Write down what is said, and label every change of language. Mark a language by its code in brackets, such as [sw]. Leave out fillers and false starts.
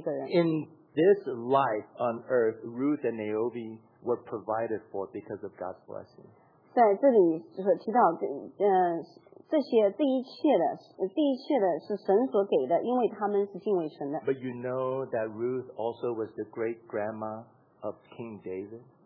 [en] In this life on earth, Ruth and Naomi were provided for because of God's blessing. [zh] 在这里所提到，这些第一切的是神所给的，因为他们是敬畏神的。 [en] But you know that Ruth also was the great grandma of King David.